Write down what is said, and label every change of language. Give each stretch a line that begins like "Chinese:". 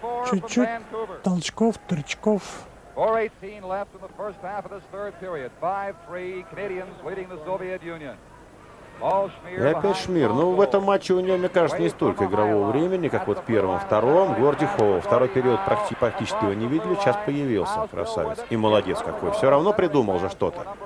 Russian: Чуть-чуть толчков, торчков.
English: 4:18 left in the first half of this third period. 5-3 Canadians leading the Soviet Union.
Russian: И опять Шмир. Ну, в этом матче у него, мне кажется, не столько игрового времени, как вот в первом, втором. Горди Хоу. Второй период практически его не видели. Сейчас появился красавец. И молодец какой. Все равно придумал же что-то.